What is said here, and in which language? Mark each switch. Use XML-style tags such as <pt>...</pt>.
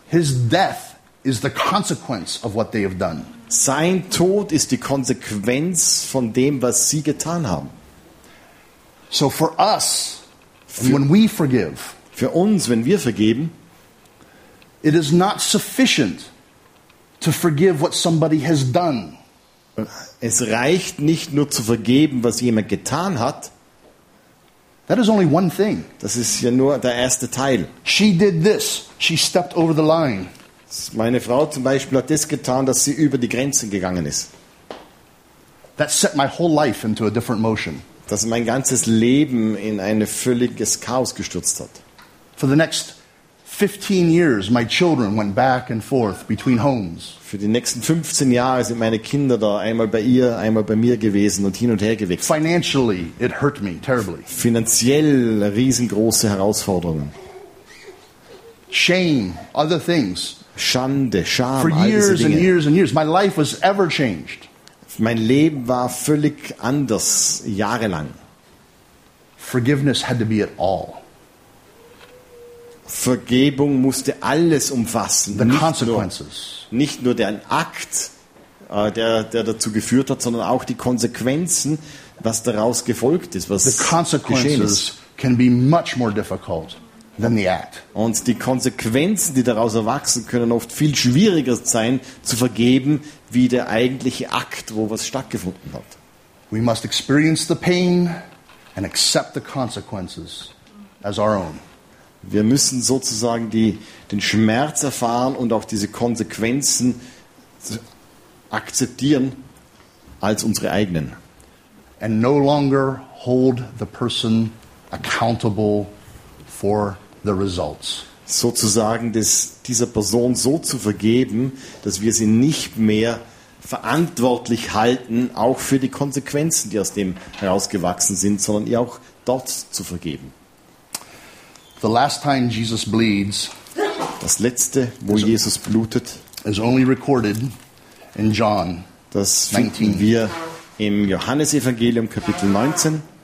<en>His death is the consequence of what they have done.</en> <de>Sein Tod ist die Konsequenz von dem, was sie getan haben.</de> <en>So for us, when we forgive,</en> <de>für uns, wenn wir vergeben,</de> <en>it is not sufficient to forgive what somebody has done.</en> <de>Es reicht nicht nur zu vergeben, was jemand getan hat.</de> <en>That is only one thing.</en> <de>Das ist ja nur der erste Teil.</de> <en>She did this. She stepped over the line.</en> <de>Meine Frau zum Beispiel hat das getan, dass sie über die Grenzen gegangen ist.</de> <en>That set my whole life into a different motion.</en> <de>Das mein ganzes Leben in ein völliges Chaos gestürzt hat.</de> <en>For the next 15 years my children went back and forth between homes.</en> <de>Für die nächsten 15 Jahre sind meine Kinder da einmal bei ihr, einmal bei mir gewesen und hin und her gewechselt.</de> <en>Financially it hurt me terribly.</en> <de>Finanziell riesengroße Herausforderungen.</de> <en>Shame, other things.</en> <de>Schande, Scham.</de> <en>For years and years and years my life was ever changed.</en> <de>Mein Leben war völlig anders jahrelang.</de> <en>Forgiveness had to be at all.</en> <de>Vergebung musste alles umfassen.</de> <en>The consequences.</en> <de>Nicht nur der Akt, der dazu geführt hat, sondern auch die Konsequenzen, was daraus gefolgt ist, was geschehen ist.</de> <en>Can be much more difficult than the act.</en> <de>Und die Konsequenzen, die daraus erwachsen, können oft viel schwieriger sein zu vergeben, wie der eigentliche Akt, wo was stattgefunden hat.</de> <en>We must experience the pain and accept the consequences as our own.</en> <de>Wir müssen sozusagen den Schmerz erfahren und auch diese Konsequenzen akzeptieren als unsere eigenen.</de> <en>And no longer hold the person accountable for the results.</en> <de>Sozusagen dieser Person so zu vergeben, dass wir sie nicht mehr verantwortlich halten, auch für die Konsequenzen, die aus dem herausgewachsen sind, sondern ihr auch dort zu vergeben.</de> <en>The last time Jesus bleeds,</en> <de>das letzte, wo Jesus blutet,</de> <en>is only recorded in John 19.</en> <de>Das finden wir im Johannesevangelium Kapitel 19,</de>